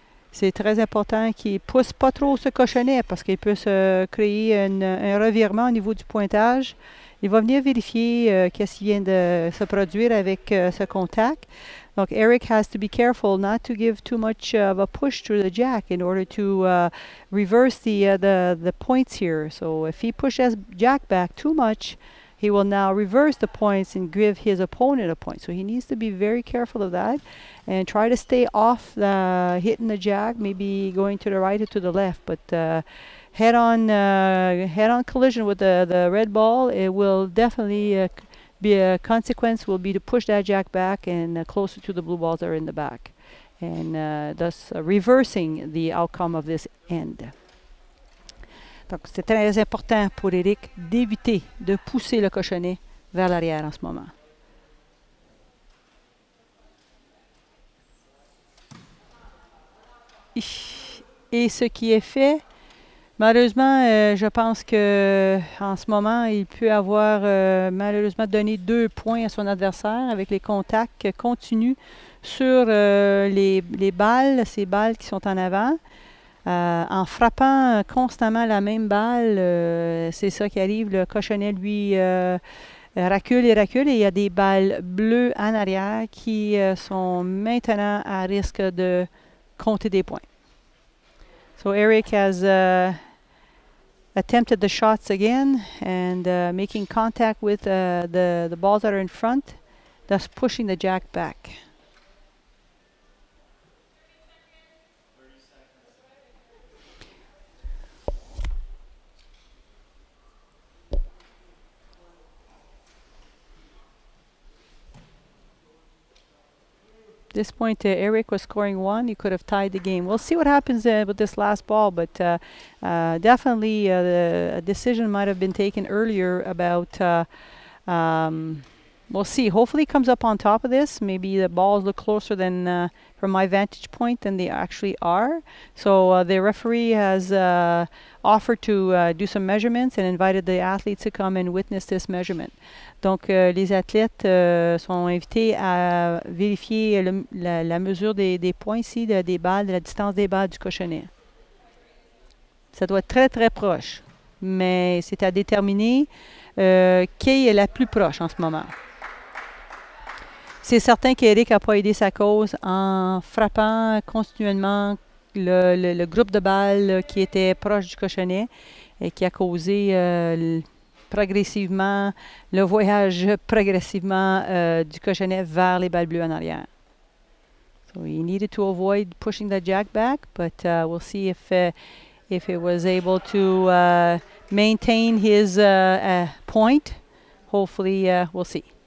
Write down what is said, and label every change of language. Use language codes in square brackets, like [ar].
[fr] C'est très important qu'il ne pousse pas trop ce cochonnet parce qu'il peut se créer un revirement au niveau du pointage. Il va venir vérifier qu'est-ce qui vient de se produire avec ce contact. Donc, [en] Éric has to be careful not to give too much of a push through the jack in order to reverse the points here. So, if he pushes jack back too much, he will now reverse the points and give his opponent a point. So he needs to be very careful of that and try to stay off the hitting the jack, maybe going to the right or to the left. But head on collision with the red ball, it will definitely be a consequence will be to push that jack back and closer to the blue balls that are in the back. And thus reversing the outcome of this end. [fr] Donc, c'est très important pour Éric d'éviter de pousser le cochonnet vers l'arrière en ce moment. Et ce qui est fait, malheureusement, je pense qu'en ce moment, il peut avoir malheureusement donné deux points à son adversaire avec les contacts continus sur les balles, ces balles qui sont en avant. En frappant constamment la même balle, c'est ça qui arrive. Le cochonnet, lui, recule et recule, et il y a des balles bleues en arrière qui sont maintenant à risque de compter des points. [en] So Éric has attempted the shots again and making contact with the balls that are in front, thus pushing the jack back. At this point, Eric was scoring one. He could have tied the game. We'll see what happens with this last ball, but definitely a decision might have been taken earlier about, we'll see. Hopefully it comes up on top of this. Maybe the balls look closer than from my vantage point than they actually are. So the referee has offered to do some measurements and invited the athletes to come and witness this measurement. [fr] Donc, les athlètes sont invités à vérifier la mesure des points ici, des balles, de la distance des balles du cochonnet. Ça doit être très, très proche, mais c'est à déterminer qui est la plus proche en ce moment. C'est certain qu'Éric n'a pas aidé sa cause en frappant continuellement le groupe de balles qui était proche du cochonnet et qui a causé progressivement le voyage progressivement du cochonnet vers les balles bleues en arrière. [en] So he needed to avoid pushing the jack back, but we'll see if it was able to maintain his point. Hopefully, we'll see.